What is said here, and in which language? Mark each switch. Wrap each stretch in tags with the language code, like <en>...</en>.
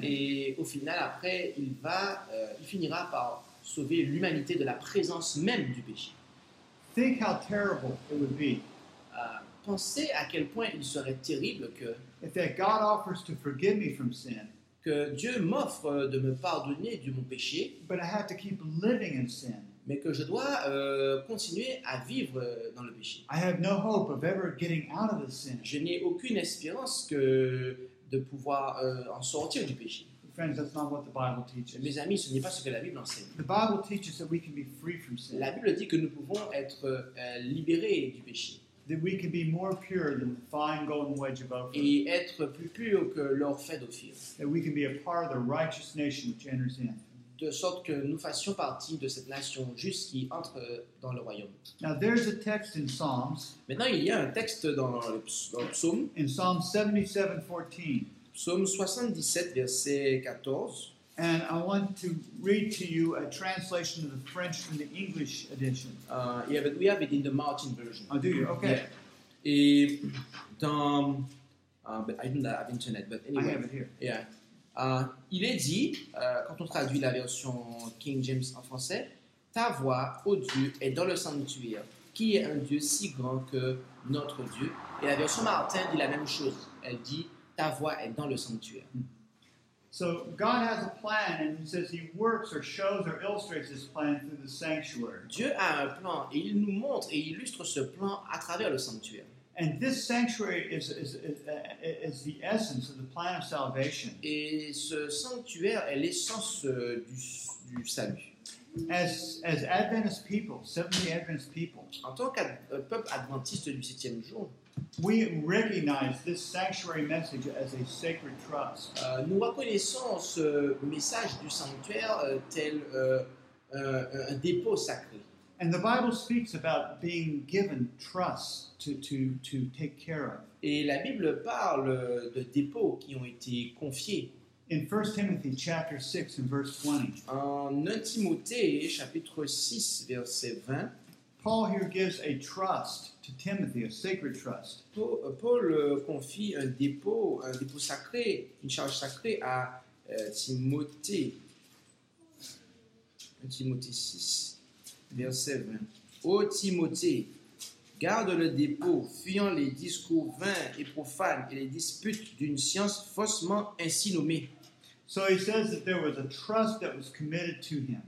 <fr>Et au final, après, il finira par sauver l'humanité de la présence même du péché.</fr> <en>Think how terrible it would be.</en> <fr>Pensez à quel point il serait terrible que.</fr> <en>If that God offers to forgive me from sin.</en> <fr>Que Dieu m'offre de me pardonner de mon péché,</fr> <en>but I have to keep living in sin.</en> <fr>Mais que je dois continuer à vivre dans le péché.</fr> <en>I have no hope of ever getting out of the sin.</en> <fr>Je n'ai aucune espérance que de pouvoir en sortir du péché.</fr> <en>Friends, that's not what the Bible teaches.</en> <fr>Mes amis, ce n'est pas ce que la Bible enseigne.</fr> <en>The Bible teaches that we can be free from sin.</en> <fr>La Bible dit que nous pouvons être libérés du péché.</fr> <en>That we can be more pure than the fine golden wedge of Ophir.</en> <fr>Et être plus pur que l'or fait d'Ophir.</fr> <en>That we can be a part of the righteous nation which enters in.</en> <fr>de sorte que nous fassions partie de cette nation juste qui entre dans le royaume.</fr> <en>Now there's a text in Psalms.</en> <fr>Maintenant il y a un texte dans le psaume.</fr> <en>In Psalm 77:14.</en> <fr>Psaume 77 verset 14.</fr> <en>And I want to read to you a translation of the French from the English edition. Yeah, but we have it in the Martin version. Oh, do you? Okay. Yeah.</en> <fr>Et dans,</fr> <en>but I don't have internet, but anyway. I have it here. Yeah.</en> <fr>Il est dit, quand on traduit la version King James en français, « Ta voix, ô Dieu, est dans le sanctuaire, qui est un Dieu si grand que notre Dieu. » Et la version Martin dit la même chose. Elle dit « Ta voix est dans le sanctuaire. »</fr> <en>So God has a plan, and he says he works or shows or illustrates his plan through the sanctuary.</en> <fr>Dieu a un plan, et il nous montre et illustre ce plan à travers le sanctuaire.</fr> <en>And this sanctuary is the essence of the plan of salvation.</en> <fr>Et ce sanctuaire est l'essence du salut.</fr> <en>As Adventist people, Seventh-day Adventist people,</en> <fr>en tant que peuple adventiste du septième jour,</fr> <en>we recognize this sanctuary message as a sacred trust.</en> <fr>Nous reconnaissons ce message du sanctuaire tel un dépôt sacré.</fr> <en>And the Bible speaks about being given trust to take care of.</en> <fr>Et la Bible parle de dépôts qui ont été confiés.</fr> <en>In 1 Timothy chapter 6 and verse 20.</en> <fr>En 1 Timothée chapitre 6 verset 20.</fr> <en>Paul here gives a trust to Timothy, a sacred trust.</en> <fr>Paul confie un dépôt sacré, une charge sacrée à Timothée. 1 Timothée 6, verset 20. Ô Timothée, garde le dépôt, fuyant les discours vains et profanes et les disputes d'une science faussement ainsi nommée.</fr> <en>So he says that there was a trust that was committed to him.</en>